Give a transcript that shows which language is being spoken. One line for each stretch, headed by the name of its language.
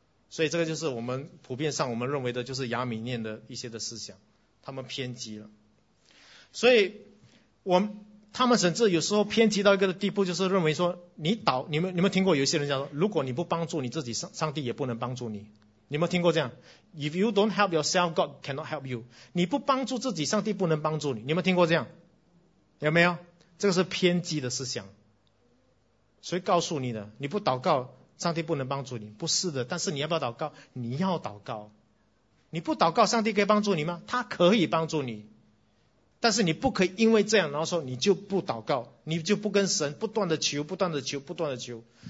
Chinese: 所以这个就是我们普遍上我们认为的就是亚米念的一些的思想，他们偏激了。所以他们甚至有时候偏激到一个地步，就是认为说你们听过有些人讲说，如果你不帮助你自己，上帝也不能帮助你。你们听过这样？
English: If you don't help yourself, God cannot help you.
Chinese: 你不帮助自己，上帝不能帮助你。你们听过这样？有没有？这个是偏激的思想。谁告诉你的？你不祷告上帝不能帮助你，不是的。但是你要不要祷告？你要祷告。你不祷告上帝可以帮助你吗？他可以帮助你，但是你不可以因为这样然后说你就不祷告，你就不跟神不断的求，不断的求，不断的求。